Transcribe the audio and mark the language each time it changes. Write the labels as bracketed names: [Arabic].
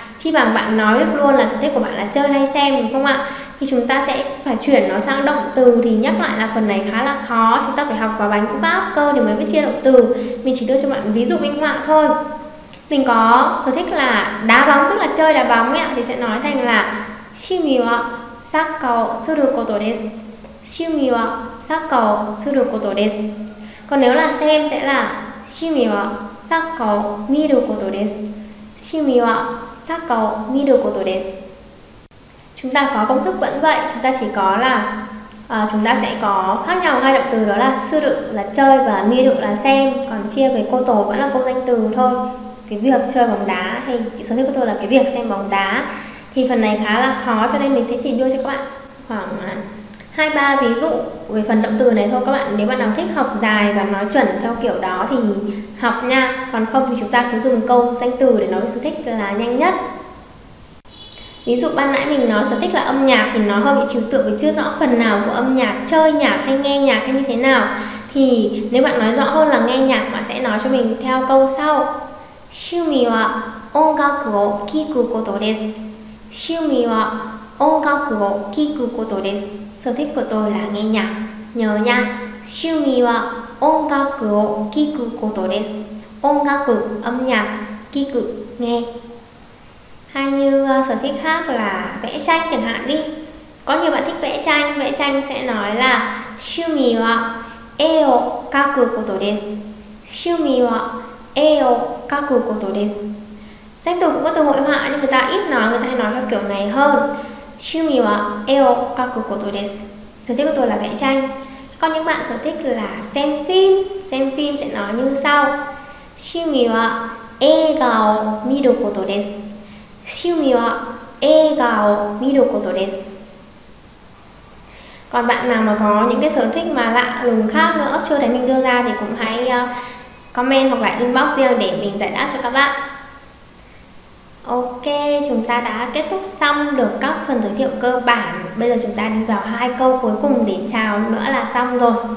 [Vietnamese] Chi bằng bạn nói được luôn là sở thích của bạn là chơi hay xem, đúng không ạ? Thì chúng ta sẽ phải chuyển nó sang động từ, thì nhắc lại là phần này khá là khó, chúng ta phải học vào bài ngữ pháp cơ thì mới biết chia động từ. Mình chỉ đưa cho bạn ví dụ minh họa thôi. Mình có sở thích là đá bóng, tức là chơi đá bóng ấy, thì sẽ nói thành là [Japanese] 취미 와 サッカーをすることです。趣味はサッカーをすることです。 [Vietnamese] Còn nếu là xem sẽ là [Japanese] 趣味はサッカーを見ることです。趣味はサッカーを見ることです。 [Vietnamese] Chúng ta có công thức vẫn vậy, chúng ta chỉ có là chúng ta sẽ có khác nhau hai động từ đó là suru là chơi và miru là xem, còn chia với koto vẫn là công danh từ thôi. Cái việc chơi bóng đá hay cái sở thích của tôi là cái việc xem bóng đá. Thì phần này khá là khó cho nên mình sẽ chỉ đưa cho các bạn khoảng 2-3 ví dụ về phần động từ này thôi các bạn. Nếu bạn nào thích học dài và nói chuẩn theo kiểu đó thì học nha. Còn không thì chúng ta cứ dùng câu danh từ để nói về sở thích là nhanh nhất. Ví dụ ban nãy mình nói sở thích là âm nhạc thì nó hơi bị trừu tượng vì chưa rõ phần nào của âm nhạc, chơi nhạc hay nghe nhạc hay như thế nào. Thì nếu bạn nói rõ hơn là nghe nhạc, bạn sẽ nói cho mình theo câu sau. [Japanese] 趣味は音楽を聴くことです。趣味は音楽を聴くことです。 [Vietnamese] Sở thích của tôi là nghe nhạc. Nhớ nha. [Japanese] 趣味は音楽を聴くことです。 [Vietnamese] 音楽、âm nhạc, 聴く, nghe. Hay như sở thích khác là vẽ tranh chẳng hạn đi. Có nhiều bạn thích vẽ tranh sẽ nói là [Japanese] 趣味は絵を描くことです。趣味は絵を描くことです。 [Vietnamese] Danh từ cũng có từ hội họa nhưng người ta ít nói, người ta hay nói theo kiểu này hơn. [Japanese] 趣味は絵を描くことです。 [Vietnamese] Sở thích của tôi là vẽ tranh. Còn những bạn sở thích là xem phim. Xem phim sẽ nói như sau. [Japanese] 趣味は映画を見ることです。趣味は映画を見ることです。 [Vietnamese] Còn bạn nào mà có những cái sở thích mà lạ lùng khác nữa chưa thấy mình đưa ra thì cũng hãy comment hoặc là inbox riêng để mình giải đáp cho các bạn. Ok, chúng ta đã kết thúc xong được các phần giới thiệu cơ bản. Bây giờ chúng ta đi vào hai câu cuối cùng để chào nữa là xong rồi.